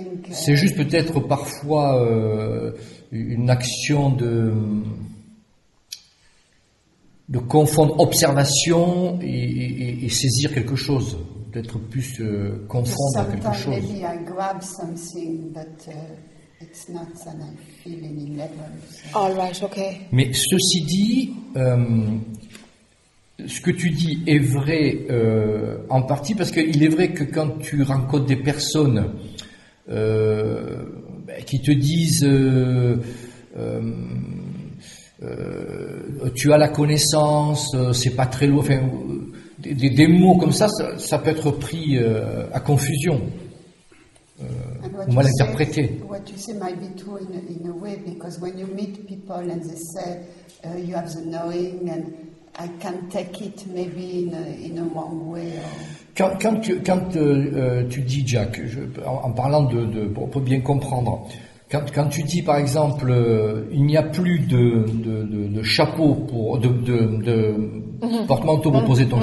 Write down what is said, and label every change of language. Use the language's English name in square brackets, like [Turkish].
[French] C'est juste peut-être parfois une action de confondre observation et saisir quelque chose. Peut-être plus confondre quelque chose. [English] Sometimes maybe I grab something, but it's not that I feel any level. All right, okay. [French] Mais ceci dit, ce que tu dis est vrai en partie parce qu'il est vrai que quand tu rencontres des personnes qui te disent tu as la connaissance, c'est pas très loin. Enfin, des mots comme ça peut être pris à confusion ou mal interprété. [English] What you say might be true in a way because when you meet people and they say you have the knowing and I can take it maybe in a wrong way. [French] Quand tu dis, Jack, en parlant de pour bien comprendre, quand tu dis par exemple, il n'y a plus de chapeau pour de mm-hmm. porte-manteau pour mm-hmm. poser ton mm-hmm.